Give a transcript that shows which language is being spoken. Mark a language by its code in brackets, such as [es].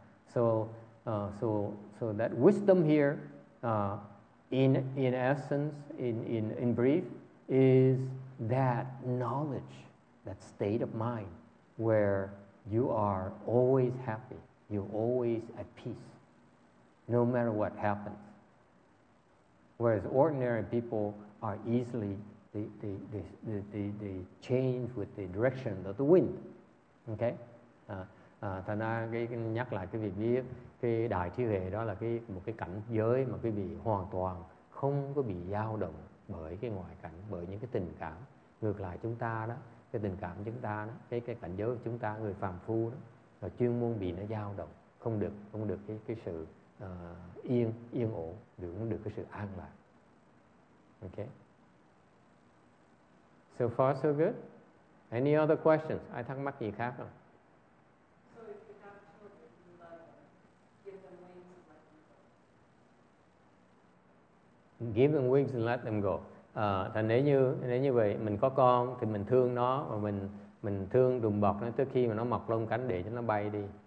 [en] So that wisdom here in essence, in brief, is that knowledge, that state of mind where you are always happy. You're always at peace, no matter what happens. Whereas ordinary people are easily they change with the direction of the wind. [vi] Okay, thành ra cái nhắc lại cái việc biết cái đại trí huệ đó là cái một cái cảnh giới mà quý vị hoàn toàn không có bị dao động bởi cái ngoại cảnh, bởi những cái tình cảm. Ngược lại chúng ta đó, cái tình cảm chúng ta đó, cái cảnh giới của chúng ta, người phàm phu đó, và chuyên môn bị nó dao động, không được cái sự yên ổn, được cái sự an lạc. Okay. [en] So far so good. Any other questions? [vi] Ai thắc mắc gì khác không? [en] So if you have children, you love them, give them wings and let them go. Give them wings and let them go. [vi] Thành nếu như vậy, mình có con thì mình thương nó và mình thương đùm bọc nó tới khi mà nó mọc lông cánh để cho nó bay đi.